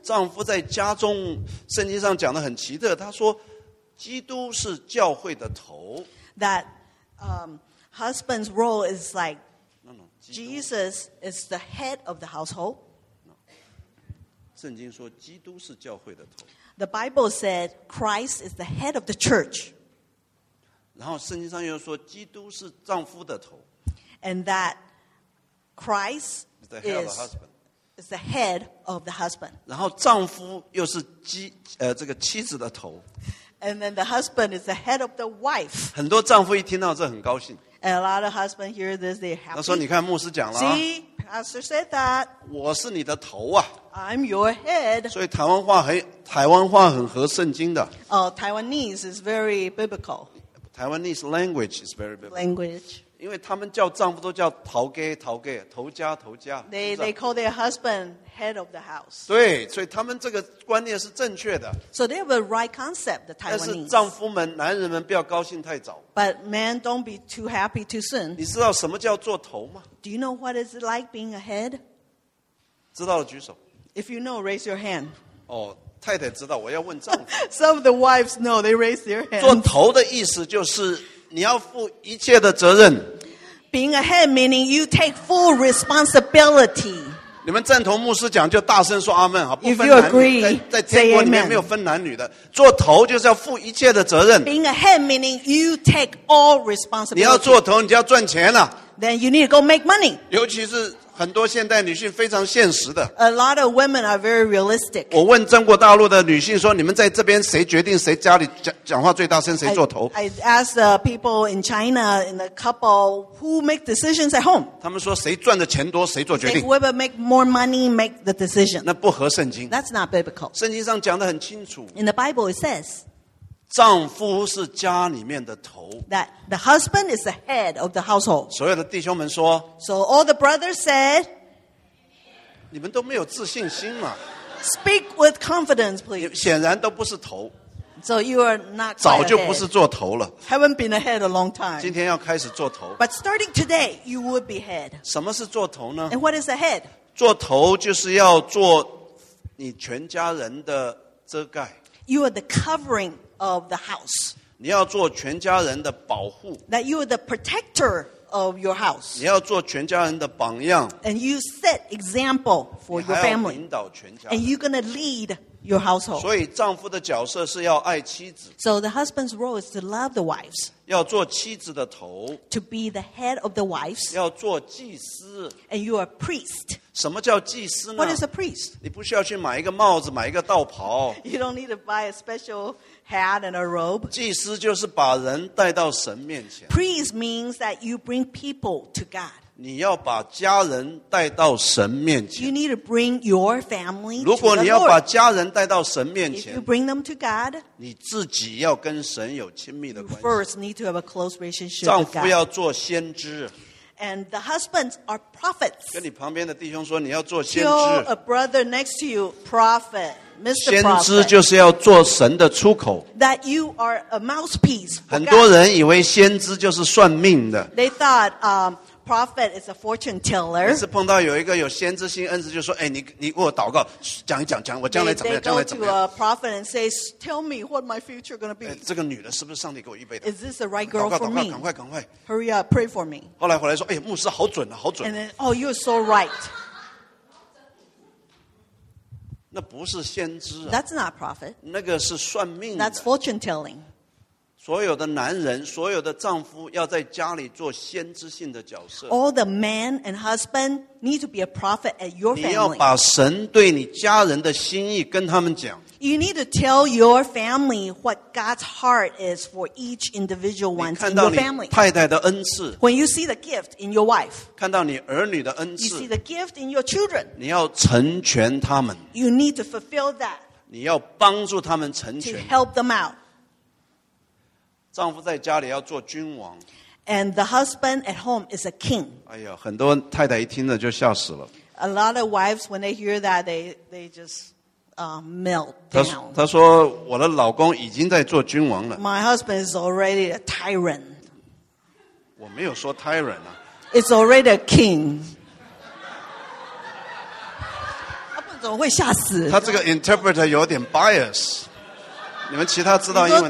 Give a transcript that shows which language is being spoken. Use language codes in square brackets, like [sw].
[zh] 丈夫在家中, 圣经上讲得很奇特, 他说基督是教会的头, [en] that husband's role is like, no, no, Jesus is the head of the household. No. [zh] 圣经说基督是教会的头, [en] the Bible said Christ is the head of the church. [zh] 然后圣经上又说基督是丈夫的头, [en] and that Christ is the head of the husband. [zh] 然后丈夫又是妻子的头, [en] and then the husband is the head of the wife. [zh] 很多丈夫一听到这很高兴, [en] and a lot of husbands hear this, they're happy. [zh] 他说你看牧师讲了啊, [en] see, pastor said that. [zh] 我是你的头啊, [en] I'm your head. [zh] 所以台湾话很, 台湾话很合圣经的, [en] Taiwanese is very biblical. Taiwanese language is very biblical. Language. [zh] 因为他们叫丈夫都叫陶家陶家, [en] they call their husband head of the house. [zh] 对, 所以他们这个观念是正确的, [en] so they have a right concept, the Taiwanese. [zh] 但是丈夫们, 男人们不要高兴太早, [en] but men don't be too happy too soon. [zh] 你知道什么叫做头吗? [en] Do you know what it's like being a head? [zh] 知道了举手, [en] if you know, raise your hand. [zh] 哦, 太太知道, 我要问丈夫。 [en] Some of the wives know, they raise their hands. [zh] 做头的意思就是, 你要负一切的责任, [en] being ahead meaning you take full responsibility. [zh] 你们赞同牧师讲就大声说阿们, 不分男女, [en] if you agree, [zh] 在天国里面没有分男女的, 做头就是要负一切的责任, [en] being ahead meaning you take all responsibility. [zh] 你要做头, 你就要赚钱了, [en] then you need to go make money. [zh] 尤其是很多现代女性非常现实的, [en] a lot of women are very realistic. [zh] 我问中国大陆的女性说, 你们在这边谁决定谁家里讲话最大声谁做头? [en] I asked the people in China, in the couple, who make decisions at home? [zh] 他们说谁赚的钱多谁做决定, [en] whoever make more money make the decision. [zh] 那不合圣经, [en] that's not biblical. [zh] 圣经上讲得很清楚, [en] in the Bible it says, [zh] 丈夫是家里面的头, [en] that the husband is the head of the household. [zh] 所有的弟兄们说, [en] so all the brothers said, [zh] 你们都没有自信心嘛, [en] speak with confidence, please. [zh] 显然都不是头, [en] so you are not, [zh] 早就不是做头了, [en] haven't been a head a long time. [zh] 今天要开始做头, [en] but starting today, you would be head. [zh] 什么是做头呢? [en] And what is a head? [zh] 做头就是要做你全家人的遮盖, [en] you are the covering of the house. [zh] 你要做全家人的保护, [en] that you are the protector of your house. [zh] 你要做全家人的榜样, [en] and you set example for your family. And you're going to lead your household. [zh] 所以丈夫的角色是要爱妻子, [en] so the husband's role is to love the wives. [zh] 要做妻子的头, [en] to be the head of the wives. [zh] 要做祭司, [en] and you are a priest. [zh] 什么叫祭司呢？ [en] What is a priest? [zh] 你不需要去买一个帽子，买一个道袍。 [en] You don't need to buy a special hat and a robe. [zh] 祭司就是把人带到神面前。 [en] Priest means that you bring people to God. [zh] 你要把家人带到神面前。 [en] You need to bring your family to the Lord. [zh] 如果你要把家人带到神面前， [en] If you bring them to God, [zh] 你自己要跟神有亲密的关系。 [en] You first need to have a close relationship with [zh] God. 丈夫要做先知。 [en] And the husbands are prophets. [zh] 跟你旁边的弟兄说，你要做先知。 [en] Tell a brother next to you, prophet, Mr. Prophet. [zh] 先知就是要做神的出口。 [en] That you are a mouthpiece. [zh] 很多人以为先知就是算命的。 [en] They thought, Prophet is a fortune teller. [zh] 每次碰到有一个有先知性恩赐，就说：“哎，你为我祷告，讲一讲，讲我将来怎么样，将来怎么样。” [en] They go to a prophet and say, "Tell me what my future going to be." [zh] 这个女的是不是上帝给我预备的 [en] ？Is this the right girl for me? [zh] 祷告，祷告，赶快，赶快。 [en] Hurry up, pray for me. [zh] 后来回来说：“哎，牧师好准啊，好准。” [en] And then, oh, you're so right. [zh] 那不是先知啊。 [en] That's not prophet. [zh] 那个是算命的。 [en] That's fortune telling. [zh] 所有的男人，所有的丈夫，要在家里做先知性的角色。 [en] All the men and husband need to be a prophet at your family. [zh] 你要把神对你家人的心意跟他们讲。 [en] You need to tell your family what God's heart is for each individual one in your family. [zh] 太太的恩赐。 [en] When you see the gift in your wife. [zh] 看到你儿女的恩赐。 [en] You see the gift in your children. [zh] 你要成全他们。 [en] You need to fulfill that. [zh] 你要帮助他们成全。 [en] To help them out. [zh] 丈夫在家里要做君王。 [en] And the husband at home is a king. [zh] 哎呀，很多太太一听了就吓死了。 [en] A lot of wives, when they hear that, they just, melt down. [zh] 她说，我的老公已经在做君王了。 [en] My husband is already a tyrant. [zh] 我没有说 tyrant 啊。 [en] It's already a king. [zh] 他不怎么会吓死？他这个 interpreter 有点 bias。你们其他知道英文，